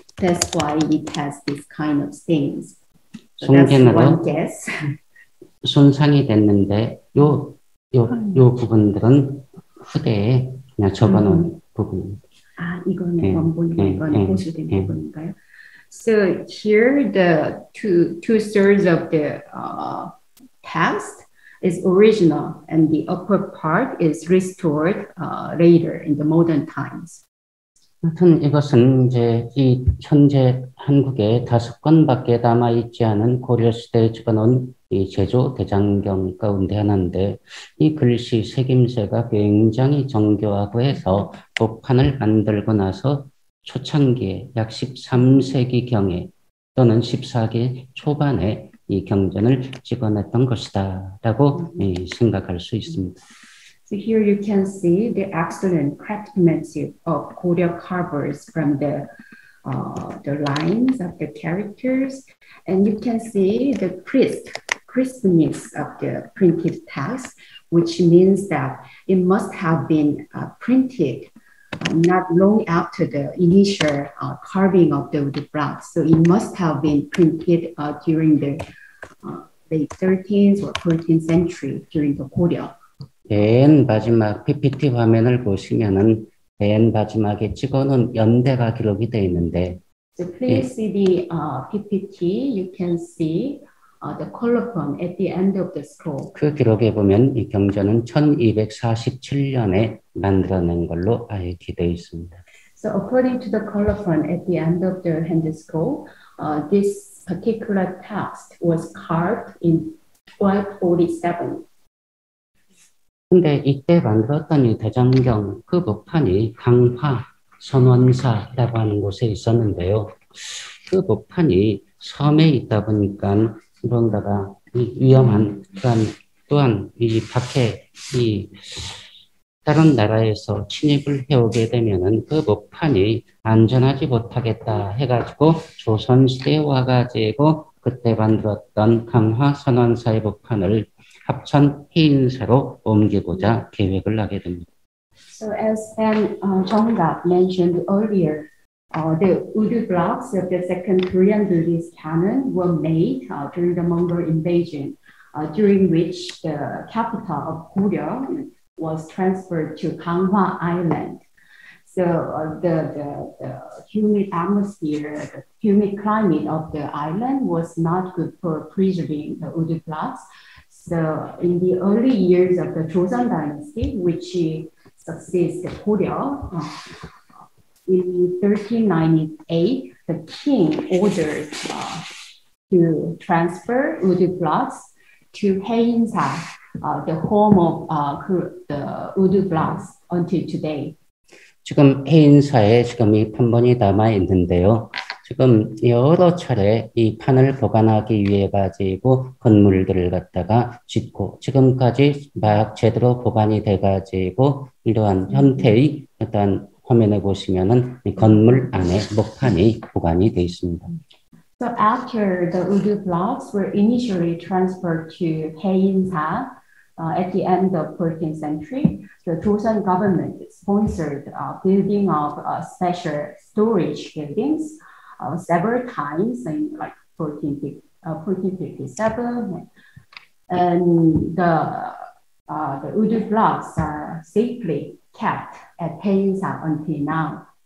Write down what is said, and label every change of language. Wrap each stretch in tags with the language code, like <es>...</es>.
<en>That's why it has this kind of stains. So that's one guess.</en> <ko>손상이 됐는데 요 부분들은 후대에 그냥 접어놓은 부분. 아 이거는 네, 원본이고 이거는 보수된 네, 네, 부분인가요? 네.</ko> <en>So here the two thirds of the text is original, and the upper part is restored later in the modern times.</en> <ko>하여튼 이것은 이제 이 현재 한국에 다섯 권밖에 남아 있지 않은 고려 시대에 집어넣은 이 제조 대장경 가운데 하나인데 이 글씨 새김새가 굉장히 정교하고 해서 복판을 만들고 나서 초창기에 약 13세기 경에 또는 14세기 초반에 이 경전을 집어냈던 것이다라고 생각할 수 있습니다.</ko> <en>So here you can see the excellent craftsmanship of Korea carvers from the lines of the characters, and you can see the crispness of the printed text, which means that it must have been printed not long after the initial carving of the wood block. So it must have been printed during the late 13th or 14th century during the Korea.</en> <ko>맨 마지막 PPT 화면을 보시면은 맨 마지막에 찍어놓은 연대가 기록이 되어 있는데.</ko> <en>So please</en> <ko>네.</ko> <en>see the PPT. You can see the colophon at the end of the scroll.</en> <ko>그 기록에 보면 이 경전은 1247년에 만들어낸 걸로 아예 기대 있습니다.</ko> <en>So according to the colophon at the end of the hand scroll, this particular text was carved in 1247.</en> <ko>근데 이때 만들었던 이 대장경 그 복판이 강화 선원사라고 하는 곳에 있었는데요. 그 복판이 섬에 있다 보니까 뭔가가 위험한 그런 또한 이 밖에 이 다른 나라에서 침입을 해오게 되면은 그 복판이 안전하지 못하겠다 해가지고 조선시대 와가지고 그때 만들었던 강화 선원사의 복판을 합천 해인사로 옮기고자 계획을 하게 됩니다.</ko> <en>So as Ben Jeong-gap mentioned earlier, the wood blocks of the second Korean Buddhist canon were made during the Mongol invasion, during which the capital of Korea was transferred to Kanghwa Island. So the humid atmosphere, the humid climate of the island was not good for preserving the wood blocks. So in the early years of the Joseon Dynasty, which succeeds the Goryeo, in 1398, the king ordered to transfer wood blocks to Haeinsa, the home of the wood blocks until today.</en> <ko>지금 해인사에 지금 이 판본이 남아 있는데요. 지금 여러 차례 이 판을 보관하기 위해 가지고 건물들을 갖다가 짓고 지금까지 막 제대로 보관이 돼 가지고 이러한 형태의 어떤 화면에 보시면은 이 건물 안에 목판이 보관이 돼 있습니다.</ko> <en>So after the wood blocks were initially transferred to Haeinsa at the end of 14th century, the Joseon government sponsored building of special storage buildings. Several times in like 1457, and the wood blocks are safely kept at Haeinsa until now.</en>